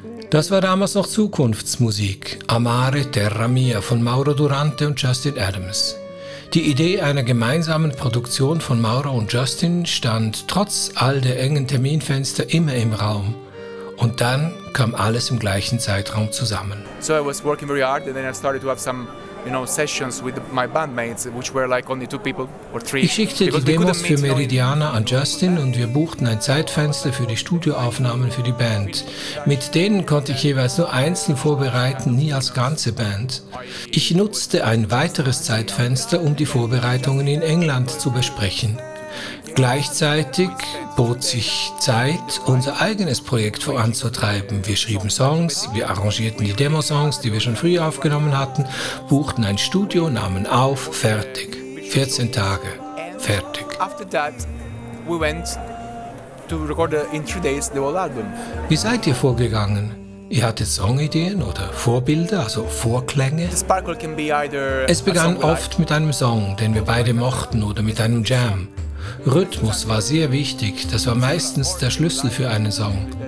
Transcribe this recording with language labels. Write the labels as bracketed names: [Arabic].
[German] Das war damals noch Zukunftsmusik, Amare Terra Mia von Mauro Durante und Justin Adams. Die Idee einer gemeinsamen Produktion von Mauro und Justin stand trotz all der engen Terminfenster immer im Raum. Und dann kam alles im gleichen Zeitraum zusammen. [English] So I was working very hard and then I started to have some, you know, sessions with my bandmates, which were like only two people or three. [German] Ich schickte die Demos für Meridiana an Justin und wir buchten ein Zeitfenster für die Studioaufnahmen für die Band. Mit denen konnte ich jeweils nur einzeln vorbereiten, nie als ganze Band. Ich nutzte ein weiteres Zeitfenster, um die Vorbereitungen in England zu besprechen. Gleichzeitig bot sich Zeit, unser eigenes Projekt voranzutreiben. Wir schrieben Songs, wir arrangierten die Demosongs, die wir schon früh aufgenommen hatten, buchten ein Studio, nahmen auf, fertig. 14 Tage, fertig. [English] After that, we went to record in 3 days the whole album. [German] Wie seid ihr vorgegangen? Ihr hattet Songideen oder Vorbilder, also Vorklänge? Es begann oft mit einem Song, den wir beide mochten, oder mit einem Jam. Rhythmus war sehr wichtig, das war meistens der Schlüssel für einen Song.